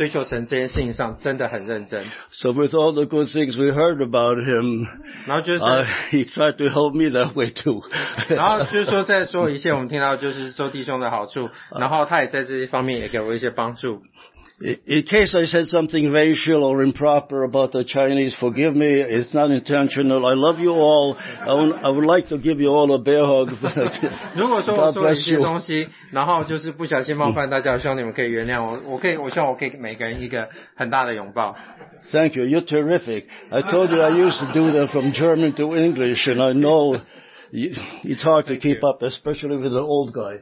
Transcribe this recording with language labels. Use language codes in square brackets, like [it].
[zh] 然后周弟兄，他就是借着那个告诉我说，他对那个打乒乓球还有追求神这件事情上真的很认真。 [en] So with all the good things we heard about him, he tried to help me that way too. [zh] 然后就是说再说一些我们听到就是周弟兄的好处，然后他也在这些方面也给我一些帮助。 [en] In case I said something racial or improper about the Chinese, forgive me, it's not intentional. I love you all. I would like to give you all a bear hug. God bless you. [zh] 如果说我说了一些东西，然后就是不小心冒犯大家，希望你们可以原谅我。我希望我给每个人一个很大的拥抱。 [en] Thank you. You're terrific. I told you I used to do that from German to English, and I know it's hard to keep up, especially with an old guy.